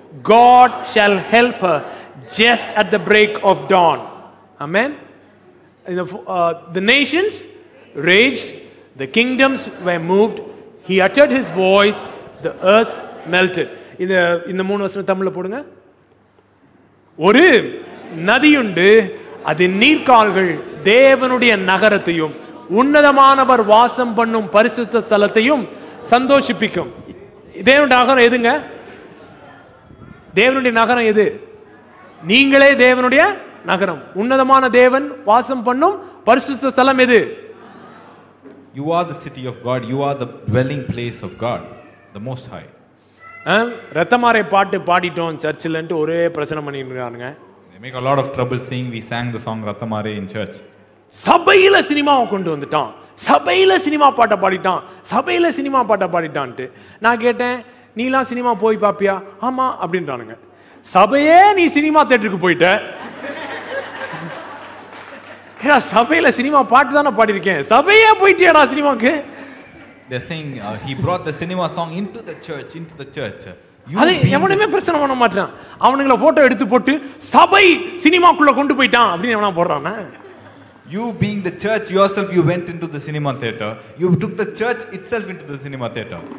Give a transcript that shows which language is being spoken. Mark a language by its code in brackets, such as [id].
[en] God shall help her just at the break of dawn. Amen. The nations raged, the kingdoms were moved, he uttered his voice, the earth melted. [ta] இந்த மூணு வசனம் தமிழ்ல போடுங்க. ஒரு நதி உண்டு, அதன் நீர்கால்கள் தேவனுடைய நகரத்தையும் உன்னதமானவர் வாசம் பண்ணும் பரிசுத்த ஸ்தலத்தையும் சந்தோஷிப்பிக்கும். தேவனுடைய நகரம் எதுங்க, தேவனுடைய நகரம் எது, நீங்களே தேவனுடைய நகரம், உன்னதமான தேவன் வாசம் பண்ணும் பரிசுத்த ஸ்தலம் எது. [en] You are the city of God. You are the dwelling place of God. the most high. [ta] ரத்தமாரை பாட்டு பாடிட்டோம் சர்ச்சில் ஒரே பிரச்சனை பண்ணிருக்காங்க. [en] They make a lot of trouble saying we sang the song Ratamare in church. [ta] சபையிலே சினிமாவை கொண்டு வந்துட்டோம், சபையிலே சினிமா பாட்டை பாடிட்டான், சபையிலே சினிமா பாட்டை பாடிட்டான்ட்டு. நான் கேட்டேன், நீலாம் சினிமா போய் பார்ப்பியா? ஆமா அப்படின்றானுங்க. சபையே நீ சினிமா தேட்டருக்கு போயிட்ட, ஏடா சபையில சினிமா பாட்டு தானே பாடிருக்கேன், சபையே போயிட்டியடா சினிமாக்கு. [en] They're saying he brought the cinema song into the church, into the church. [ta] அது எவனுமே பிரச்சனை பண்ண மாட்டான், அவனுங்கள போட்டோ எடுத்து போட்டு சபை சினிமாக்குள்ள கொண்டு போயிட்டான் அப்படின்னு போடுறான. [en] You being the church yourself, you went into the cinema theater, you took the church itself into the cinema theater.